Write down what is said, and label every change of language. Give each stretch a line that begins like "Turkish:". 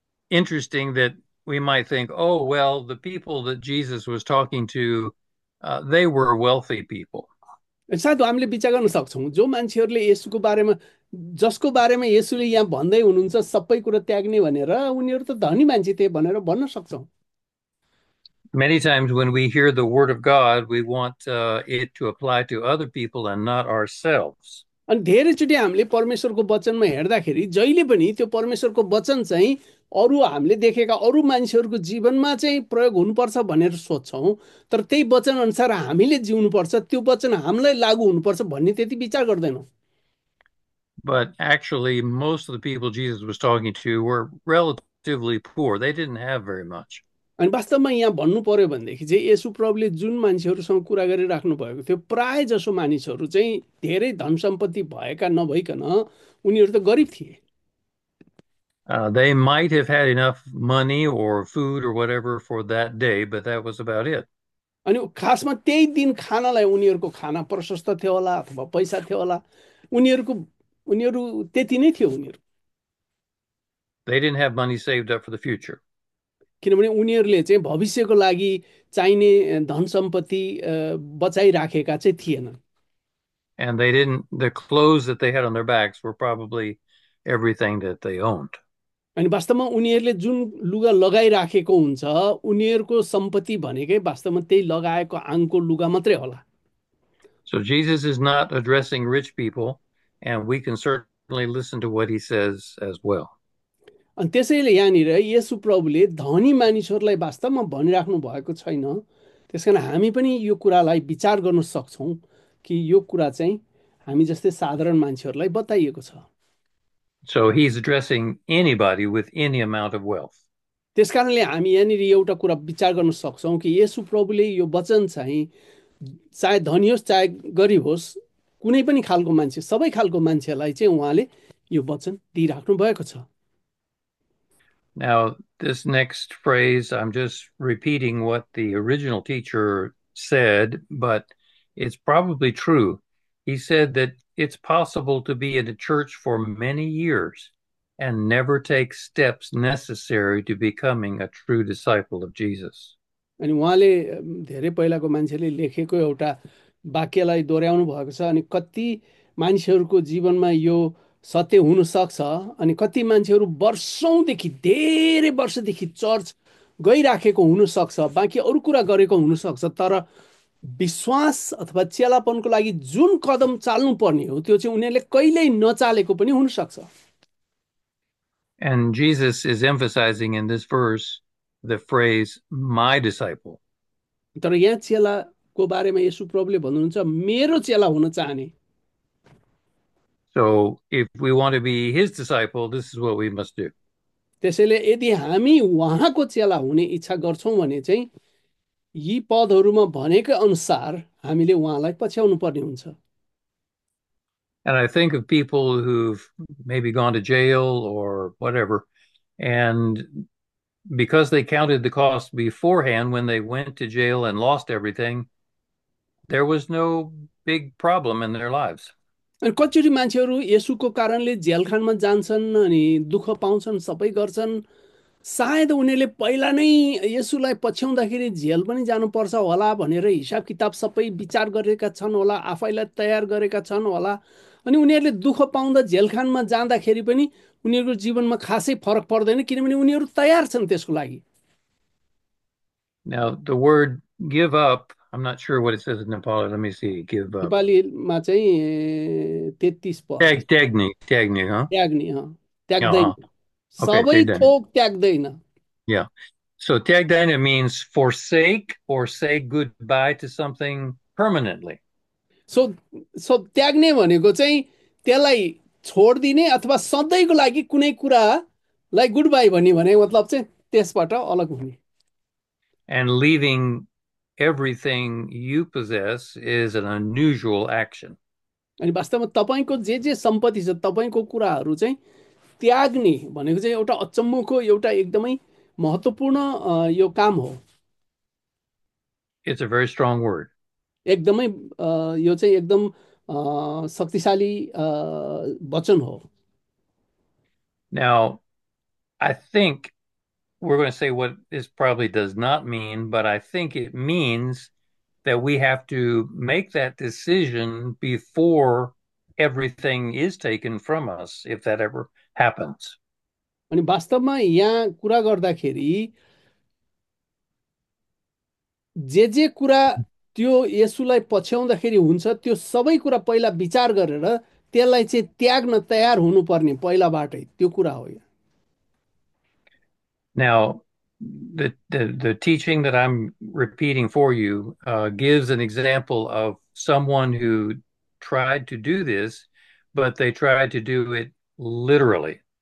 English: Interesting that we might think, oh, well, the people that Jesus was talking to, they were wealthy people.
Nepali: सायद हामीले विचार गर्न सक्छौँ, जो मान्छेहरूले येसुको बारेमा, जसको बारेमा येसुले यहाँ भन्दै हुनुहुन्छ सबै कुरा त्याग्ने भनेर, उनीहरू त धनी मान्छे थिए भनेर भन्न सक्छौँ।
English: Many times when we hear the word of God, we want it to apply to other people and not ourselves.
Nepali: अनि धेरैचोटि हामीले परमेश्वरको वचनमा हेर्दाखेरि जहिले पनि त्यो परमेश्वरको वचन चाहिँ अरू, हामीले देखेका अरू मान्छेहरूको जीवनमा चाहिँ प्रयोग हुनुपर्छ भनेर सोच्छौँ, तर त्यही वचन अनुसार हामीले जिउनुपर्छ, त्यो वचन हामीलाई लागू हुनुपर्छ भन्ने त्यति विचार गर्दैनौँ।
English: But actually, most of the people Jesus was talking to were relatively poor. They didn't have very much.
Nepali: अनि वास्तवमा यहाँ भन्नु पर्यो भनेदेखि चाहिँ येशु प्रभुले जुन मान्छेहरूसँग कुरा गरिराख्नु भएको थियो, प्राय जसो मानिसहरू चाहिँ धेरै धन सम्पत्ति भएका नभइकन उनीहरू त गरिब थिए।
English: They might have had enough money or food or whatever for that day, but that was about it.
Nepali: अनि खासमा त्यही दिन खानालाई उनीहरूको खाना प्रशस्त थियो होला, अथवा पैसा थियो होला, उनीहरू त्यति नै थियो उनीहरू,
English: They didn't have money saved up for the future.
Nepali: किनभने उनीहरूले चाहिँ भविष्यको लागि चाहिने धन सम्पत्ति बचाइराखेका चाहिँ थिएनन्।
English: And they didn't, the clothes that they had on their backs were probably everything that they owned.
Nepali: अनि वास्तवमा उनीहरूले जुन लुगा लगाइराखेको हुन्छ, उनीहरूको सम्पत्ति भनेकै वास्तवमा त्यही लगाएको आङको लुगा मात्रै होला।
English: So Jesus is not addressing rich people, and we can certainly listen to what he says as well.
Nepali: अनि त्यसैले यहाँनिर येशु प्रभुले धनी मानिसहरूलाई वास्तवमा भनिराख्नु भएको छैन, त्यस कारण हामी पनि यो कुरालाई विचार गर्न सक्छौँ कि यो कुरा चाहिँ हामी जस्तै साधारण मान्छेहरूलाई बताइएको छ।
English: So he's addressing anybody with any amount of wealth.
Nepali: त्यस कारणले हामी यहाँनिर एउटा कुरा विचार गर्न सक्छौँ कि येशु प्रभुले यो वचन चाहिँ चाहे धनी होस् चाहे गरिब होस्, कुनै पनि खालको मान्छे, सबै खालको मान्छेलाई चाहिँ उहाँले यो वचन दिइराख्नु भएको छ।
English: Now, this next phrase, I'm just repeating what the original teacher said, but it's probably true. He said that it's possible to be in a church for many years and never take steps necessary to becoming a true disciple of Jesus.
Nepali: अनि उहाँले धेरै पहिलाको मान्छेले लेखेको एउटा वाक्यलाई दोहोऱ्याउनु भएको छ, अनि कति मान्छेहरूको जीवनमा यो सत्य हुनसक्छ, अनि कति मान्छेहरू वर्षौँदेखि, धेरै वर्षदेखि चर्च गइराखेको हुनसक्छ, बाँकी अरू कुरा गरेको हुनसक्छ, तर विश्वास अथवा चेलापनको लागि जुन कदम चाल्नुपर्ने हो त्यो चाहिँ उनीहरूले कहिल्यै नचालेको पनि हुनसक्छ।
English: And Jesus is emphasizing in this verse the phrase, my disciple.
Nepali: तर यहाँ चेलाको बारेमा येशु प्रभुले भन्नुहुन्छ मेरो चेला हुन चाहने।
English: So, if we want to be his disciple, this is what we must do.
Nepali: त्यसैले यदि हामी उहाँको चेला हुने इच्छा गर्छौँ भने चाहिँ यी पदहरूमा भनेकै अनुसार हामीले उहाँलाई पछ्याउनु पर्ने हुन्छ।
English: And I think of people who've maybe gone to jail or whatever, and because they counted the cost beforehand when they went to jail and lost everything, there was no big problem in their lives.
Nepali: अनि कतिचोटि मान्छेहरू येसुको कारणले जेलखानमा जान्छन्, अनि दुःख पाउँछन्, सबै गर्छन्, सायद उनीहरूले पहिला नै येशूलाई पछ्याउँदाखेरि झेल पनि जानुपर्छ होला भनेर हिसाब किताब सबै विचार गरेका छन् होला, आफैलाई तयार गरेका छन् होला। अनि उनीहरूले दुःख पाउँदा झेलखानमा जाँदाखेरि पनि उनीहरूको जीवनमा खासै फरक पर्दैन, किनभने उनीहरू तयार छन् त्यसको लागि।
English: Now, the word give up, I'm not sure what it says in Nepali. Let me see. Give up.
Nepali: नेपालीमा चाहिँ 33 पद Tag, tagni, tagni, huh? त्याग्ने, हँ Uh-huh. त्याग्दैन,
English: Okay, they
Nepali: सबै
English: done.
Nepali: थोक त्याग्दैन। Yeah.
English: So tagdaina means forsake or say goodbye to something permanently.
Nepali: So त्याग्ने भनेको चाहिँ त्यसलाई छोड दिने अथवा सधैँको लागि कुनै कुरालाई गुड बाई भन्ने, भने मतलब चाहिँ त्यसबाट अलग हुने।
English: And leaving everything you possess is an unusual action.
Nepali: अनि वास्तवमा तपाईँको जे जे सम्पत्ति छ, तपाईँको कुराहरू चाहिँ त्याग्ने भनेको चाहिँ एउटा अचम्मको, एउटा एकदमै महत्त्वपूर्ण यो काम हो,
English: It's a very strong word.
Nepali: एकदमै यो चाहिँ एकदम शक्तिशाली वचन हो।
English: Now, I think. We're going to say what this probably does not mean, but I think it means that we have to make that decision before everything is taken from us, if that ever happens.
Nepali: अनि वास्तवमा यहाँ कुरा गर्दाखेरि जे जे कुरा त्यो येसुलाई पछ्याउँदाखेरि हुन्छ, त्यो सबै कुरा पहिला विचार गरेर त्यसलाई चाहिँ त्याग्न तयार हुनुपर्ने पहिलाबाटै, त्यो कुरा हो यो।
English: Now, the teaching that I'm repeating for you gives an example of someone who tried to do this, but they tried to do it literally.